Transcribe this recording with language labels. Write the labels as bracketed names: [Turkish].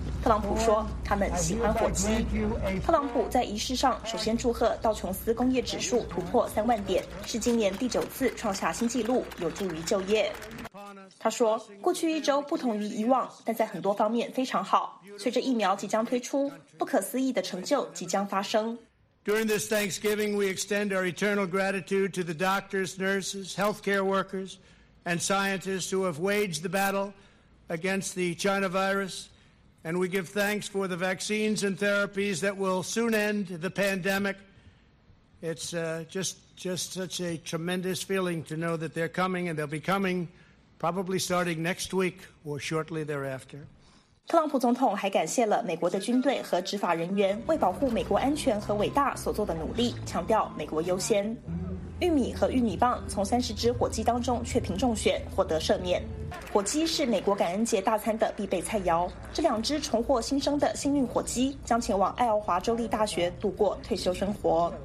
[Chinese] 特朗普说他们喜欢火鸡。特朗普在仪式上首先祝贺道琼斯工业指数突破30,000点，是今年第九次创下新纪录，有助于就业。他说过去一周不同于以往，但在很多方面非常好，随着疫苗即将推出，不可思议的成就即将发生。 [English] During this Thanksgiving, we extend our eternal gratitude to the doctors, nurses, healthcare workers,and scientists who have waged the battle against the China virus, and we give thanks for the vaccines and therapies that will soon end the pandemic. It's just such a tremendous feeling to know that they're coming, and they'll be coming probably starting next week or shortly thereafter. [Chinese] 特朗普总统还感谢了美国的军队和执法人员为保护美国安全和伟大所做的努力，强调美国优先。玉米和玉米棒从30只火鸡当中确评中选，获得赦免。火鸡是美国感恩节大餐的必备菜肴。这两只重获新生的幸运火鸡将前往爱奥华州立大学度过退休生活。